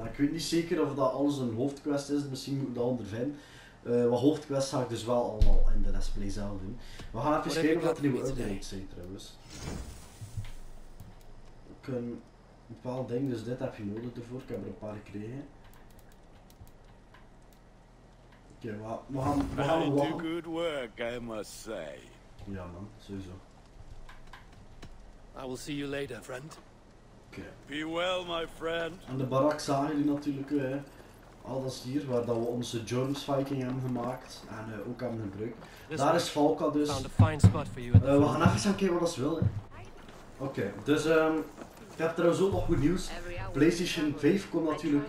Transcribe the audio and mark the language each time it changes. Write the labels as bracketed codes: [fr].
[nl] En ik weet niet zeker of dat alles een hoofdquest is, misschien moet ik dat ondervinden. Wat hoofdquests ga ik dus wel allemaal in de Let's Play zelf doen. We gaan even kijken of dat er nieuwe updates zijn trouwens. Een bepaald ding, dus dit heb je nodig ervoor. Ik heb er een paar gekregen. Oké, we gaan [en] wel. Very good work, I must say. [nl] Ja man, sowieso. [en] I will see you later, friend. [nl] Oké. Okay. [en] Be well, my friend. [nl] En de barak zagen jullie natuurlijk, hè. Al dat is hier waar dat we onze Jones Viking hebben gemaakt en ook hebben gebruikt. Daar is Falca dus. We gaan even gaan kijken wat ze willen. Oké, dus ik heb trouwens ook nog goed nieuws. PlayStation 5 komt natuurlijk.